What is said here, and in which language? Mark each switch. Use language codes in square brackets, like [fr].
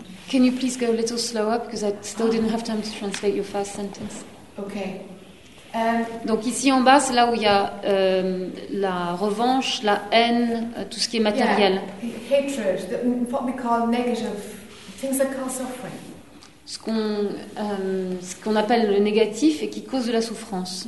[en] Can you please go a little slower because I still didn't have time to translate your first sentence. Okay. [fr] Donc ici en bas, c'est là où il y a la revanche, la haine, tout ce qui est matériel. [en] Yeah. Hatred, what we call negative things that cause suffering. [fr] Ce qu'on appelle le négatif et qui cause de la souffrance.